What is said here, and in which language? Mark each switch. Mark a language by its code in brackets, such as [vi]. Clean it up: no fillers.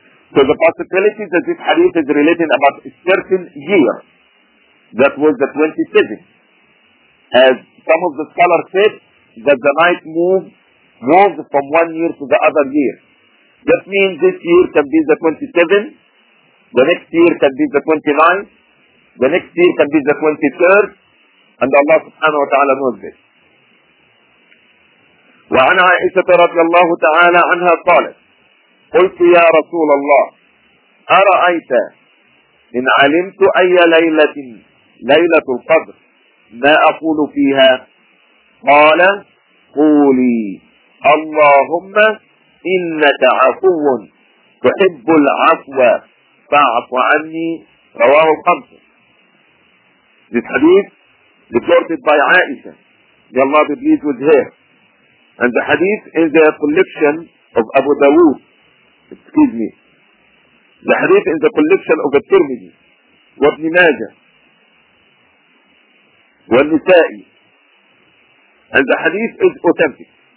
[en] So the possibility that this hadith is relating about a certain year, that was the 27th, as some of the scholars said that the night moved from one year to the other year. That means this year can be the 27th, the next year can be the 29th, the next year can be the 23rd, and Allah subhanahu wa ta'ala knows this. [ar] وعن عائشة رضي الله تعالى عنها قالت قلت يا رسول الله أرأيت إن علمت أي ليلة ليلة القدر ما أقول فيها؟ قال قولي اللهم إنك عفو تحب العفو فاعف عني رواه الخمسة. [en] This hadith reported by Aisha, may Allah be pleased with her. And the hadith in the collection of Abu Dawood, excuse me, the hadith in the collection of At-Tirmidhi, Ibn Majah, Al-Nisa'i, and the hadith is authentic.